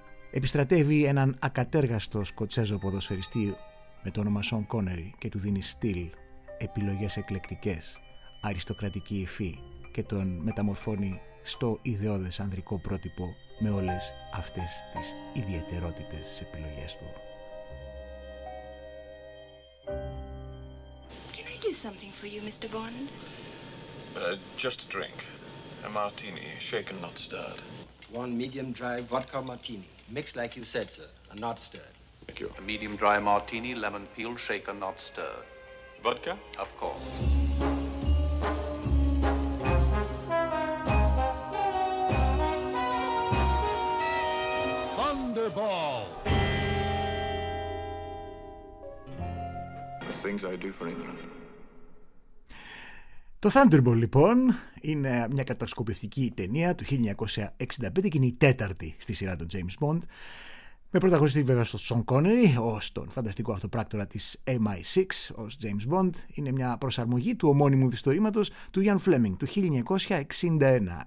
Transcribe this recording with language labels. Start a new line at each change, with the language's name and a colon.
Greek: επιστρατεύει έναν ακατέργαστο σκοτσέζο ποδοσφαιριστή με το όνομα Sean Connery και του δίνει στυλ, επιλογές εκλεκτικές, αριστοκρατική υφή και τον μεταμορφώνει στο ιδεώδες ανδρικό πρότυπο με όλες αυτές τις ιδιαιτερότητες στις επιλογές του.
English: Can I do something for you, Mr. Bond? Just a drink. A martini, shaken, not stirred. One medium dry vodka martini, mixed like you said, sir, and not stirred. Thank you. A medium dry martini, lemon peel, shaken, not stirred. Vodka? Of course. Thunderball! The things I do for England.
Greek: Το Thunderball λοιπόν είναι μια κατασκοπευτική ταινία του 1965 και είναι η τέταρτη στη σειρά των James Bond, με πρωταγωνιστή βέβαια στον Sean Connery ως τον φανταστικό αυτοπράκτορα της MI6 ως James Bond. Είναι μια προσαρμογή του ομώνυμου διστορήματος του Ian Fleming του 1961.